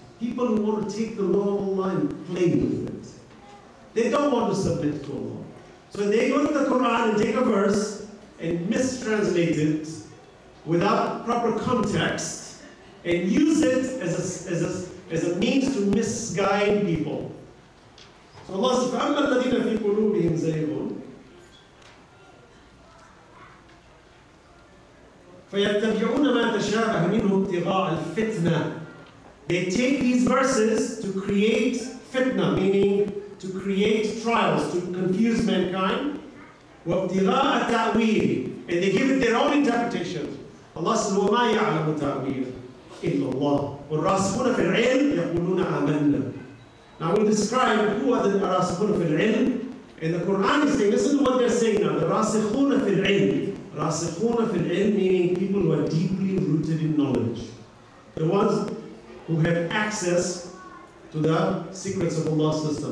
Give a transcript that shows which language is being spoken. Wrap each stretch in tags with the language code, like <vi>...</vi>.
<en>People who want to take the law of Allah and play with it. They don't want to submit to Allah. So they go to the Quran and take a verse and mistranslate it without proper context and use it as a means to misguide people. So Allah says,</en> <ar>فَأَمَّا الَّذِينَ فِي قُلُوبِهِمْ زَيْغٌ فَيَتَّبِعُونَ مَا تَشَابَهَ مِنْهُ ابْتِغَاءَ الْفِتْنَةِ.</ar> <en>They take these verses to create fitna, meaning to create trials, to confuse mankind.</en> <ar>وَابْتِغَاءَ التَّأْوِيلِ.</ar> <en>And they give it their own interpretation. Allah says,</en> <ar>وَمَا يَعْلَمُ التَّأْوِيلِ إِلَّا اللَّهِ وَالرَّاسِخُونَ فِي الْعِلْمِ يَقُولُونَ آمَنَّا.</ar> <en>Now we'll describe who are the</en> <ar>رَاسِخُونَ فِي الْعِلْمِ.</ar> <en>And the Quran is saying, listen to what they're saying now. The رَاسِخُونَ فِي الْعِلْمِ.</en> <ar>رَاسِخُونَ فِي الْعِلْمِ</ar> <en>meaning people who are deeply rooted in knowledge. The ones who have access to the secrets of Allah's system.</en>